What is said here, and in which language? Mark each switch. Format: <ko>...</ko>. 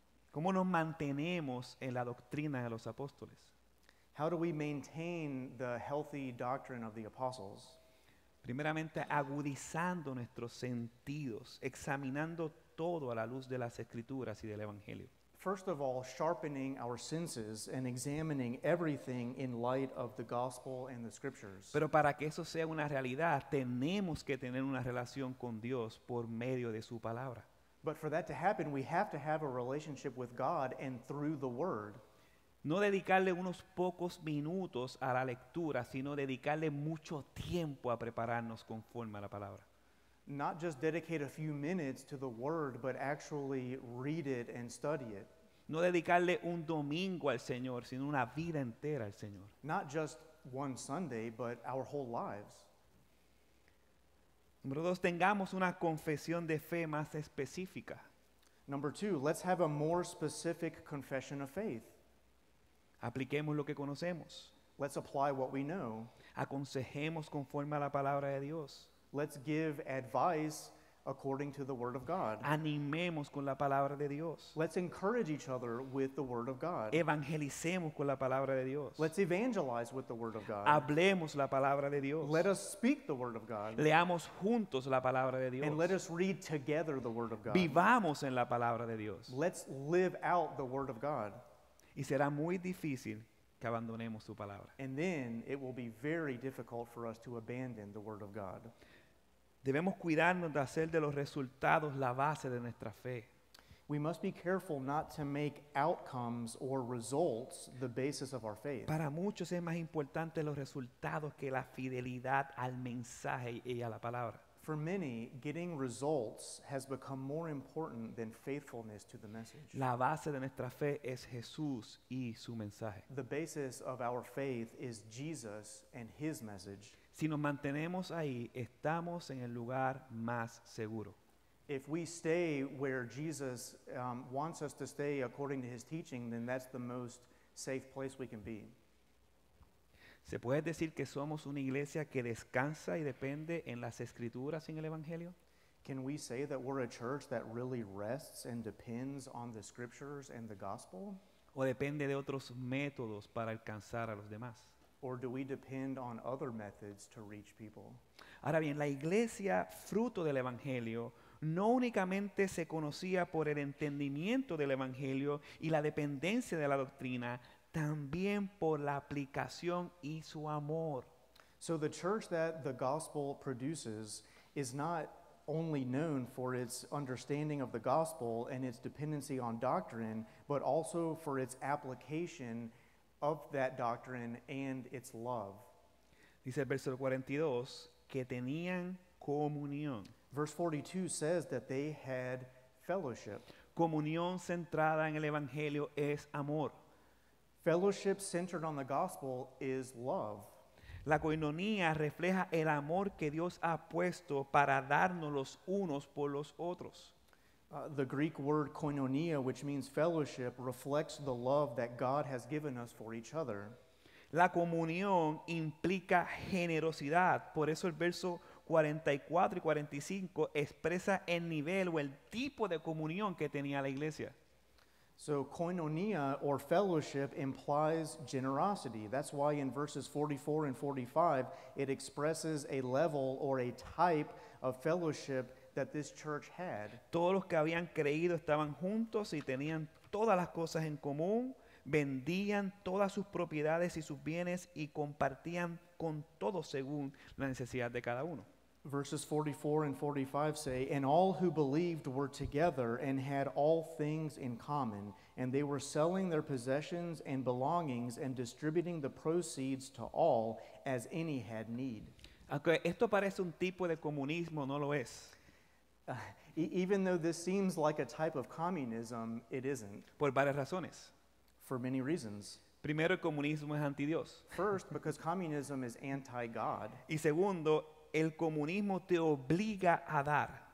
<es>¿Cómo nos mantenemos en la doctrina de los apóstoles?</es> <en>How do we maintain the healthy doctrine of the apostles?</en> <es>Primeramente, agudizando nuestros sentidos, examinando todo a la luz de las escrituras y del evangelio.</es> <en>First of all, sharpening our senses and examining everything in light of the gospel and the scriptures.</en> <es>Pero para que eso sea una realidad, tenemos que tener una relación con Dios por medio de su palabra.</es> <en>But for that to happen, we have to have a relationship with God and through the word.</en> <es>No dedicarle unos pocos minutos a la lectura, sino dedicarle mucho tiempo a prepararnos conforme a la palabra.</es> <en>Not just dedicate a few minutes to the word, but actually read it and study it.</en> <es>No dedicarle un domingo al Señor, sino una vida entera al Señor.</es> <en>Not just one Sunday, but our whole lives.</en> <es>Número dos, tengamos una confesión de fe más específica.</es> <en>Number two, let's have a more specific confession of faith.</en> <es>Apliquemos lo que conocemos.</es> <en>Let's apply what we know.</en> <es>Aconsejemos conforme a la palabra de Dios.</es> <en>Let's give advice according to the word of God.</en> <es>Animemos con la palabra de Dios.</es> <en>Let's encourage each other with the word of God.</en> <es>Evangelicemos con la palabra de Dios.</es> <en>Let's evangelize with the word of God.</en> <es>Hablemos la palabra de Dios.</es> <en>Let us speak the word of God.</en> <es>Leamos juntos la palabra de Dios.</es> <en>And let us read together the word of God.</en> <es>Vivamos en la palabra de Dios.</es> <en>Let's live out the word of God.</en> <es>Y será muy difícil que abandonemos su palabra.</es> <en>And then it will be very difficult for us to abandon the word of God.</en> <es>Debemos cuidarnos de hacer de los resultados la base de nuestra fe.</es> <en>We must be careful not to make outcomes or results the basis of our faith.</en> <es>Para muchos es más importante los resultados que la fidelidad al mensaje y a la palabra.</es> <en>For many, getting results has become more important than faithfulness to the message.</en> <es>La base de nuestra fe es Jesús y su mensaje.</es> <en>The basis of our faith is Jesus and his message.</en> <es>Si nos mantenemos ahí, estamos en el lugar más seguro.</es> <en>If we stay where Jesus wants us to stay according to his teaching, then that's the most safe place we can be.</en> <es>¿Se puede decir que somos una iglesia que descansa y depende en las escrituras y en el evangelio?</es> <en>Can we say that we're a church that really rests and depends on the scriptures and the gospel?</en> <es>¿O depende de otros métodos para alcanzar a los demás?</es> <en>Or do we depend on other methods to reach people?</en> <es>Ahora bien, la iglesia, fruto del evangelio, no únicamente se conocía por el entendimiento del evangelio y la dependencia de la doctrina, también por la aplicación y su amor.</es> <en>So the church that the gospel produces is not only known for its understanding of the gospel and its dependency on doctrine, but also for its application of that doctrine and its love.</en> <es>Dice el verso 42 que tenían comunión.</es> <en>Verse 42 says that they had fellowship.</en> <es>Comunión centrada en el evangelio es amor.</es> <en>Fellowship centered on the gospel is love.</en> <es>La coinonía refleja el amor que Dios ha puesto para darnos los unos por los otros.</es> <en>The Greek word koinonia, which means fellowship, reflects the love that God has given us for each other.</en> <es>La comunión implica generosidad. Por eso el verso 44 y 45 expresa el nivel o el tipo de comunión que tenía la iglesia.</es> <en>So koinonia, or fellowship, implies generosity. That's why in verses 44 and 45, it expresses a level or a type of fellowship that this church had.</en> <es>Todos los que habían creído estaban juntos y tenían todas las cosas en común, vendían todas sus propiedades y sus bienes y compartían con todos según la necesidad de cada uno.</es> <en>Verses 44 and 45 say, "And all who believed were together and had all things in common, and they were selling their possessions and belongings and distributing the proceeds to all as any had need."</en> <es>Okay, esto parece un tipo de comunismo, no lo es.</es> <en>Even though this seems like a type of communism, it isn't.</en> <es>Por varias razones.</es> <en>For many reasons.</en> <es>Primero, el comunismo es anti Dios.</es> <en>First, because communism is anti-God.</en> <es>Y segundo, el comunismo te obliga a dar.</es>